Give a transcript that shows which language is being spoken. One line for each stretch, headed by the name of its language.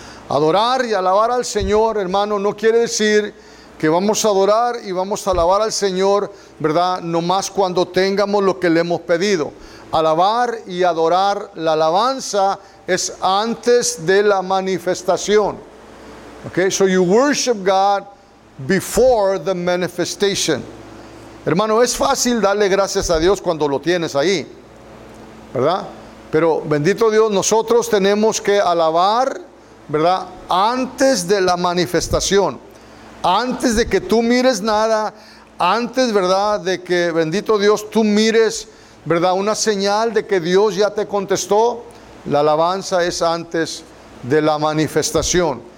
Spanish: Adorar y alabar al Señor, hermano, no quiere decir que vamos a adorar y vamos a alabar al Señor, ¿verdad?, nomás cuando tengamos lo que le hemos pedido. Alabar y adorar, la alabanza es antes de la manifestación. ¿Ok?
English: So you worship God before the manifestation.
Spanish: Hermano, es fácil darle gracias a Dios cuando lo tienes ahí, ¿verdad? Pero bendito Dios, nosotros tenemos que alabar, ¿verdad?, antes de la manifestación, antes de que tú mires nada, antes, ¿verdad?, de que, bendito Dios, tú mires, ¿verdad?, una señal de que Dios ya te contestó. La alabanza es antes de la manifestación.